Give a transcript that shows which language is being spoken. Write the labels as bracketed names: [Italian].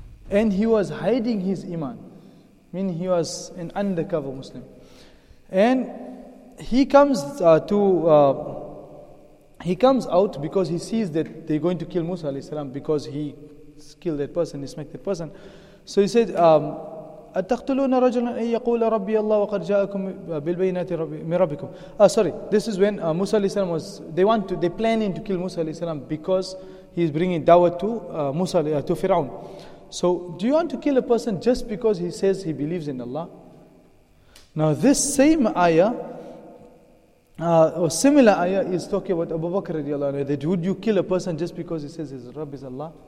[English] And he was hiding his iman. Meaning he was an undercover Muslim. And he comes out because he sees that they're going to kill Musa alayhi salam, because he killed that person, he smacked that person. [Arabic] So he said, أَتَقْتُلُونَ رَجُلًا أَن يَقُولَ رَبِّيَ اللَّهُ وَقَدْ جَاءَكُمْ بِالْبَيِّنَاتِ مِنْ رَبِّكُمْ. [English] This is when Musa alayhi salam was, they're planning to kill Musa alayhi salam because he's bringing dawah to Fir'aun. So do you want to kill a person just because he says he believes in Allah? Now this same ayah, or similar ayah, is talking about Abu Bakr radiallahu anhu, that would you kill a person just because he says his Rabb is Allah?